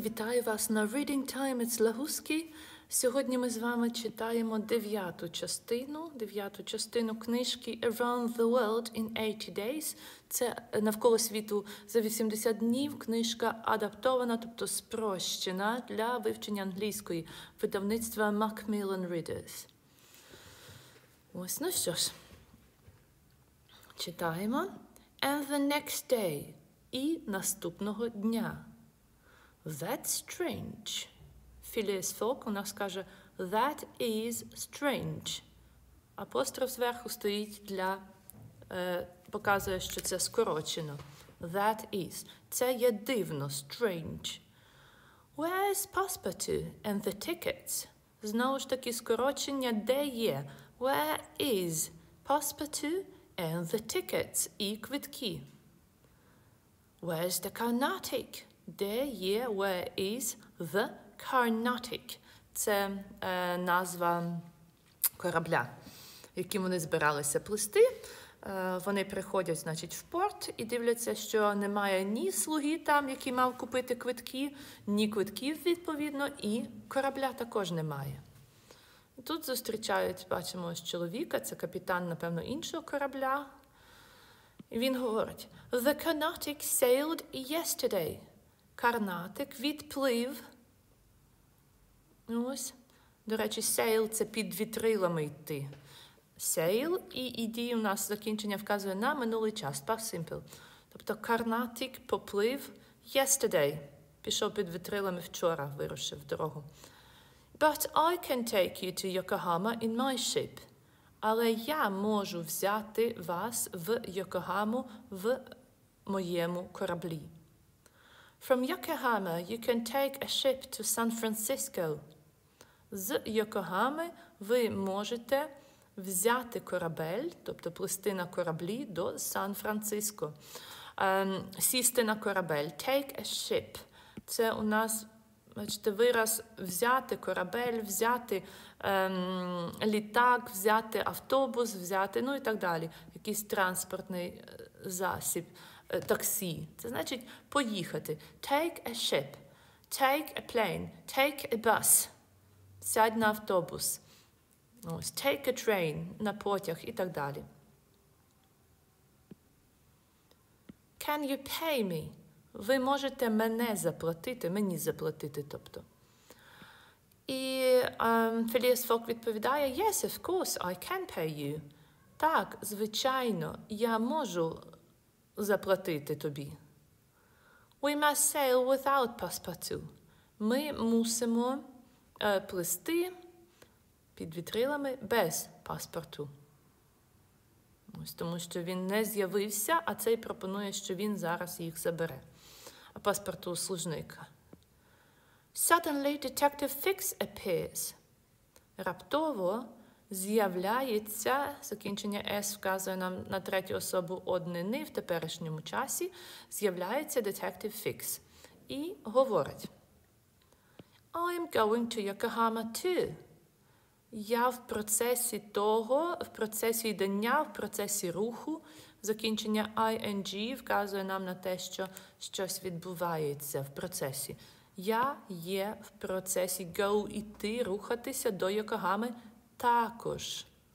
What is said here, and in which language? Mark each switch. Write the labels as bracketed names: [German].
[Ukrainian] Вітаю вас на Reading Time It's Lahusky. Сьогодні ми з вами читаємо дев'яту частину книжки Around the World in 80 Days. Це «Навколо світу за 80 днів». Книжка адаптована, тобто спрощена для вивчення англійської видавництва Macmillan Readers. Ось, ну що ж. Читаємо. [English] And the next day. [Ukrainian] І наступного дня. [English] That's strange. [Ukrainian] Phileas Fogg у нас каже [English] that is strange. [Ukrainian] Апостроф зверху стоїть для показує, що це скорочено. [English] That is. [Ukrainian] Це є дивно, strange. [English] Where's Passepartout and the tickets? [Ukrainian] Знову ж таки скорочення, де є? [English] Where is Passepartout and the tickets? [Ukrainian] І квитки. [English] Where's the Carnatic? [Ukrainian] Де є, [English] where is the Carnatic? [Ukrainian] Це назва корабля, яким вони збиралися плисти. Вони приходять, значить, в порт і дивляться, що немає ні слуги там, який мав купити квитки, ні квитків, відповідно, і корабля також немає. Тут зустрічають, бачимо, чоловіка, це капітан, напевно, іншого корабля. І він говорить, [English] «The Carnatic sailed yesterday». [Ukrainian] Карнатик відплив. Ось. До речі, sail – це під вітрилами йти. Sail і іді у нас закінчення вказує на минулий час. [English] Past simple. [Ukrainian] Тобто карнатик поплив yesterday. Пішов під вітрилами вчора, вирушив в дорогу. [English] But I can take you to Yokohama in my ship. [Ukrainian] Але я можу взяти вас в Йокогаму в моєму кораблі. [English] From Yokohama you can take a ship to San Francisco. [Ukrainian] З Йокогами ви можете взяти корабель, тобто плисти на кораблі до Сан-Франциско. Сісти на корабель. [English] Take a ship. [Ukrainian] Це у нас, бачите, вираз взяти корабель, взяти літак, взяти автобус, взяти, ну і так далі. Якийсь транспортний засіб. Таксі. Це значить поїхати. [English] Take a ship. Take a plane. Take a bus. [Ukrainian] Сядь на автобус. Ось. [English] Take a train. [Ukrainian] На потяг. І так далі. [English] Can you pay me? [Ukrainian] Ви можете мене заплатити. Мені заплатити, тобто. І Філіас Фок відповідає, [English] Yes, of course, I can pay you. [Ukrainian] Так, звичайно, я можу заплатити тобі. [English] We must sail without Passepartout. [Ukrainian] Ми мусимо плисти під вітрилами без паспорту. Ось тому, що він не з'явився, а цей пропонує, що він зараз їх забере. А паспорту у служника. [English] Suddenly Detective Fix appears. [Ukrainian] Раптово з'являється, закінчення «с» вказує нам на третю особу однини в теперішньому часі, з'являється детектив Фікс і говорить. [English] I'm going to Yokohama too. [Ukrainian] Я в процесі того, в процесі йдення, в процесі руху, закінчення «ing» вказує нам на те, що щось відбувається в процесі. Я є в процесі «go» іти, рухатися до Yokohama також.